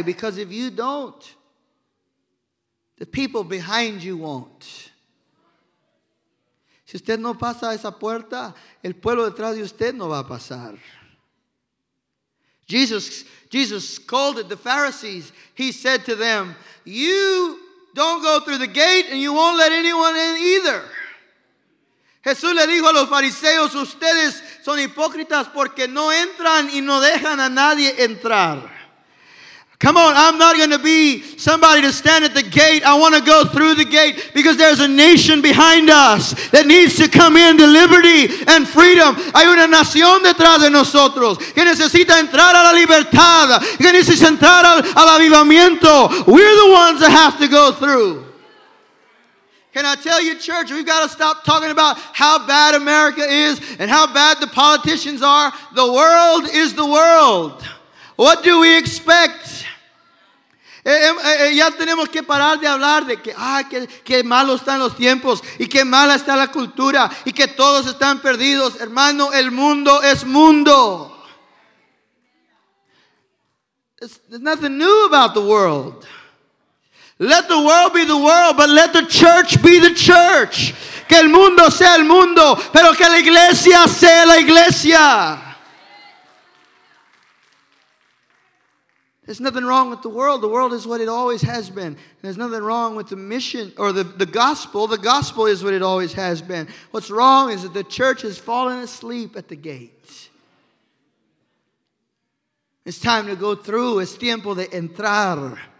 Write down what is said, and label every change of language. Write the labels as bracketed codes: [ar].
[en] Because if you don't, the people behind you won't. [es] Si usted no pasa esa puerta, el pueblo detrás de usted no va a pasar. [en] Jesus scolded the Pharisees. He said to them, you don't go through the gate and you won't let anyone in either. [es] Jesús le dijo a los fariseos, ustedes son hipócritas porque no entran y no dejan a nadie entrar. [en] Come on, I'm not going to be somebody to stand at the gate. I want to go through the gate because there's a nation behind us that needs to come into liberty and freedom. [es] Hay una nación detrás de nosotros que necesita entrar a la libertad, que necesita entrar al avivamiento. [en] We're the ones that have to go through. Can I tell you, church, we've got to stop talking about how bad America is and how bad the politicians are. The world is the world. What do we expect? [es] Ya tenemos que parar de hablar de que, ay, que malos están los tiempos y que mala está la cultura y que todos están perdidos. Hermano, el mundo es mundo. [en] There's nothing new about the world. Let the world be the world, but let the church be the church. [es] Que el mundo sea el mundo, pero que la iglesia sea la iglesia. [en] There's nothing wrong with the world. The world is what it always has been. There's nothing wrong with the mission or the gospel. The gospel is what it always has been. What's wrong is that the church has fallen asleep at the gate. It's time to go through. [es] Es tiempo de entrar.